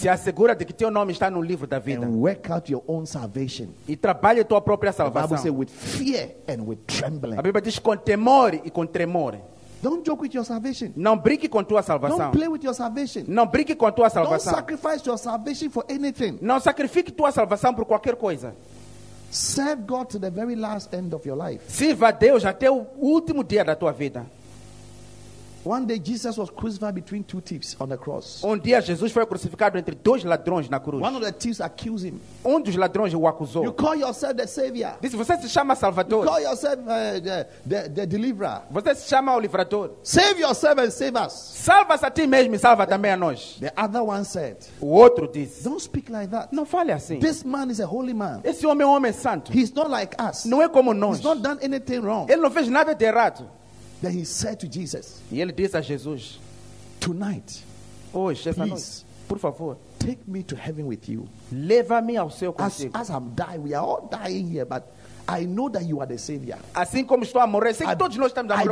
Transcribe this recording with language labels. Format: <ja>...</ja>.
<pt>Se assegura de que teu nome está no livro da vida.</pt> <en>And work out your own salvation.</en> <pt>E trabalhe tua própria salvação.</pt> <en>The Bible says with fear and with trembling.</en> <pt>A Bíblia diz com temor e com tremor.</pt> <en>Don't joke with your salvation.</en> <pt>Não brinque com tua salvação.</pt> <en>Don't play with your salvation.</en> <pt>Não brinque com tua salvação.</pt> <en>Don't sacrifice your salvation for anything.</en> <pt>Não sacrifique tua salvação por qualquer coisa.</pt> <en>Serve God to the very last end of your life.</en> <pt>Sirva a Deus até o último dia da tua vida.</pt> <en>One day Jesus was crucified between two thieves on the cross.</en> <pt>Dia Jesus foi crucificado entre dois ladrões na cruz.</pt> <en>One of the thieves accused him.</en> <pt>Dos ladrões o acusou.</pt> <en>You call yourself the savior.</en> <pt>Disse, você se chama salvador.</pt> <en>You call yourself the deliverer.</en> <pt>Você se chama o livrador.</pt> <en>Save yourself and save us.</en> <pt>Salva-se a ti mesmo e salva também a nós.</pt> <en>The other one said.</en> <pt>O outro disse.</pt> <en>Don't speak like that.</en> <pt>Não fale assim.</pt> <en>This man is a holy man.</en> <pt>Esse homem é um homem santo.</pt> <en>He's not like us.</en> <pt>Não é como nós.</pt> <en>He's not done anything wrong.</en> <pt>Ele não fez nada de errado.</pt> <en>Then he said to Jesus,</en> <pt>e ele disse a Jesus,</pt> <en>tonight,</en> <pt>hoje, essa</pt> <en>please,</en> <pt>noite, por favor,</pt> <en>take me to heaven with you.</en> <pt>Leva-me ao céu contigo.</pt> <en>As I'm dying, we are all dying here, but I know that you are the Savior.</en> <pt>Assim como estou a morrer, sei que todos nós estamos a morrer,</pt>